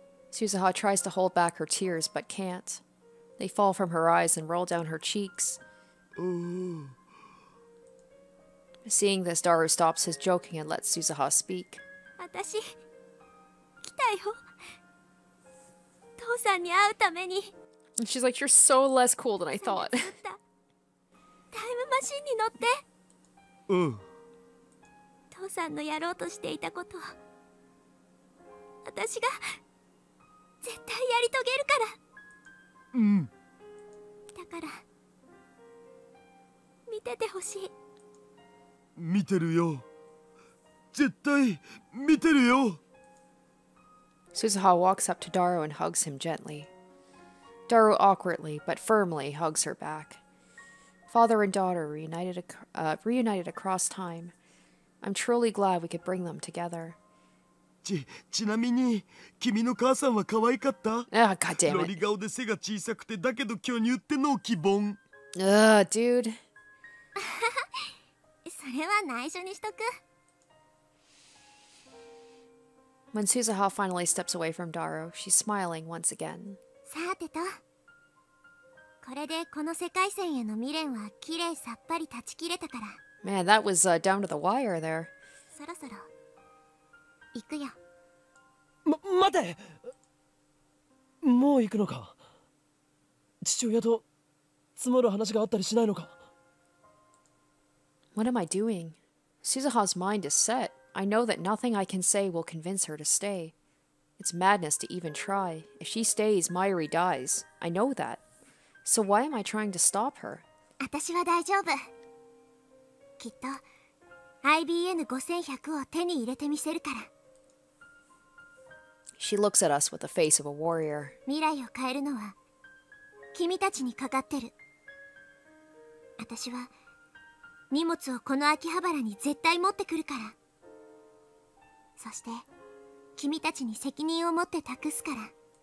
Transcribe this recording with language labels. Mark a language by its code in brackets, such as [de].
[en] Suzuha tries to hold back her tears, but can't. They fall from her eyes and roll down her cheeks. Seeing this, Daru stops his joking and lets Suzuha speak. [ja] 私、来たよ。父さんに会うために。 [en] She's like, you're so less cool than I thought. [ja] タイムマシンに乗って。うん。父さんのやろうとしていたこと、私が絶対やり遂げるから。うん。だから、見ててほしい。見てるよ。絶対見てるよ。 [en] Suzuha walks up to Daru and hugs him gently. Daru awkwardly but firmly hugs her back. Father and daughter reunited across time. I'm truly glad we could bring them together. [ja] ちなみに、君の母さんは可愛かった。 [en] Ah, goddamn it. [ja] ロリ顔で背が小さくてだけど巨乳ってのを希望。 [en] Dude. [ja] それは内緒にしとく。 [en] When Suzuha finally steps away from Daru, she's smiling once again. [ja] さてと、これでこの世界線への未練はきれいさっぱり断ち切れたから。 [en] Man, that was down to the wire there. [ja] そろそろ、行くよ。待て！もう行くのか？父親と積もる話があったりしないのか？ [en] What am I doing? Suzuha's mind is set. I know that nothing I can say will convince her to stay. It's madness to even try. If she stays, Mayuri dies. I know that. So why am I trying to stop her? [ja] 私は大丈夫。きっと、IBN5100 を手に入れてみせるから。 [en] She looks at us with the face of a warrior. [ja] 未来を変えるのは、君たちにかかってる。私は、荷物をこの秋葉原に絶対持ってくるから。そして、君たちに責任を持って託すから。